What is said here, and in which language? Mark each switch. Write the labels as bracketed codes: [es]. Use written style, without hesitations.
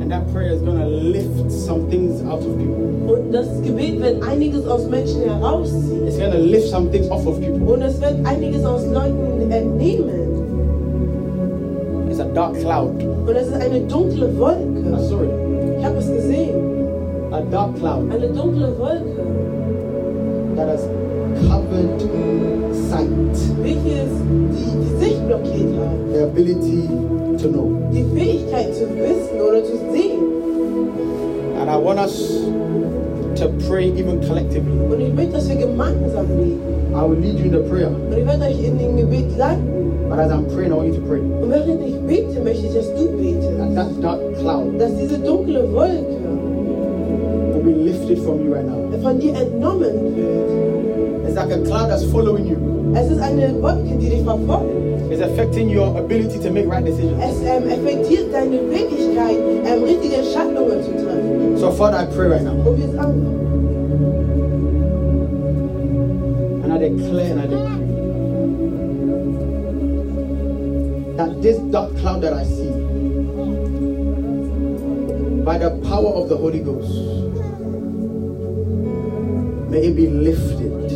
[en] And that prayer is going to lift some things out of people. [de] Und das Gebet wird einiges aus Menschen herausziehen. [en] It's going to lift some things off of people. [de] Und es wird einiges aus Leuten entnehmen. [en] It's a dark cloud. [de] Und es ist eine dunkle Wolke. [en] Oh, sorry. [de] Ich habe es gesehen. [en] A dark cloud. [de] Eine dunkle Wolke. [en] That has covered sight. [de] Welches die Sicht blockiert hat. [en] The ability to know. [de] Die Fähigkeit zu wissen oder zu sehen. [en] And I want us to pray even collectively. [de] Und ich möchte, dass wir gemeinsam beten. [en] I will lead you in the prayer. [de] Und ich werde euch in dem Gebet leiten. [en] But as I'm praying, I want you to pray. [de] Und während ich bete, möchte ich, dass du betest. [en] And that dark cloud. [de] Dass diese dunkle Wolke. [en] Be lifted from you right now. [de] Von dir entnommen wird. [en] It's like a cloud that's following you. [de] Es ist eine Wolke, die dich verfolgt. [en] It's affecting your ability to make right decisions. [de] Es affectiert deine Fähigkeit, richtige Entscheidungen zu treffen. [en] So Father, I pray right now. And I declare and I decree that this dark cloud that I see, by the power of the Holy Ghost, may it be lifted.